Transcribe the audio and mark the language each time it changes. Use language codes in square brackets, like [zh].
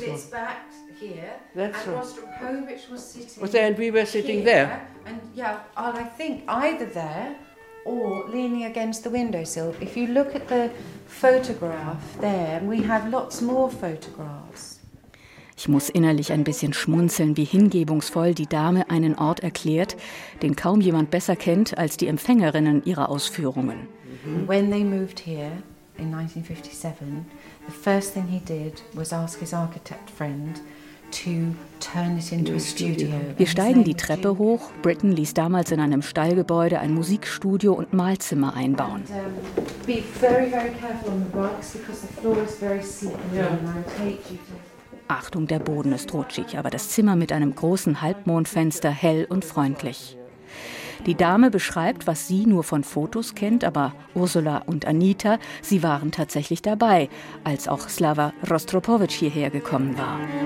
[en] with its back here. That's and Rostropovich was sitting. Was there, and we were sitting here, there. And yeah, I think either there or leaning against the windowsill. If you look at the photograph there, we have lots more photographs. [de] Ich muss innerlich ein bisschen schmunzeln, wie hingebungsvoll die Dame einen Ort erklärt, den kaum jemand besser kennt als die Empfängerinnen ihrer Ausführungen. [en] When they moved here in 1957, the first thing he did was ask his architect friend to turn it into a studio. [de] Wir steigen die Treppe hoch. Britten ließ damals in einem Stallgebäude ein Musikstudio und Mahlzimmer einbauen. [en] And, be very, very careful on the rocks because the floor is very slippery. Yeah. And I'll take you to [de] Achtung, der Boden ist rutschig, aber das Zimmer mit einem großen Halbmondfenster hell und freundlich. Die Dame beschreibt, was sie nur von Fotos kennt, aber Ursula und Anita, sie waren tatsächlich dabei, als auch Slava Rostropowitsch hierher gekommen war.